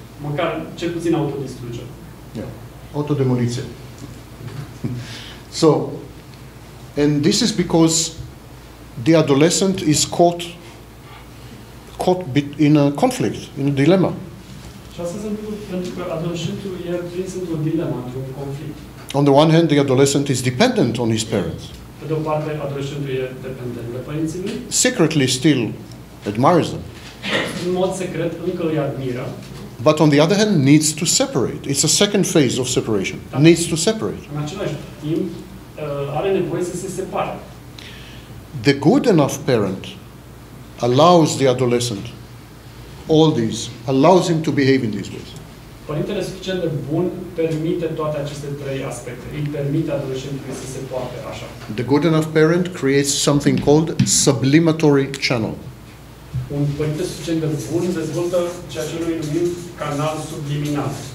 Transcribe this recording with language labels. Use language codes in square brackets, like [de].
[ro] Măcar cel puțin autodistrugere. Yeah. Autodemoliție. [en] So, and this is because the adolescent is caught in a conflict, in a dilemma. [ro] Și asta se întâmplă pentru că adolescentul e prins într-un dilemma, într-un conflict. [en] On the one hand, the adolescent is dependent on his parents. [ro] Pe de o parte, adolescentul e dependent de părinții lui. [en] Secretly still admires them. [ro] În mod secret încă îi admiră. [en] But on the other hand, needs to separate. It's a second phase of separation. Da. Needs to separate. [ro] În același timp, are nevoie să se separe. [en] The good enough parent allows the adolescent all these, allows him to behave in these ways. [ro] Părintele suficient de bun permite toate aceste trei aspecte. Îi permite adolescentului să se poarte așa. [en] The good enough parent creates something called sublimatory channel. [ro] Un părinte suficient de bun dezvoltă ceea ce noi numim canal subliminal.